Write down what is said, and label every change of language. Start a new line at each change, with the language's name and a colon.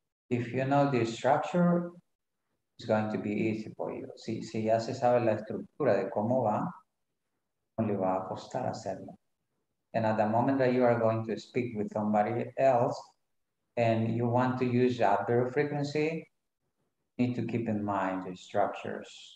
English: If you know the structure, it's going to be easy for you.
Spanish: Si ya se sabe la estructura de cómo va, no le va a costar hacerlo.
English: And at the moment that you are going to speak with somebody else and you want to use adverb frequency, you need to keep in mind the structures.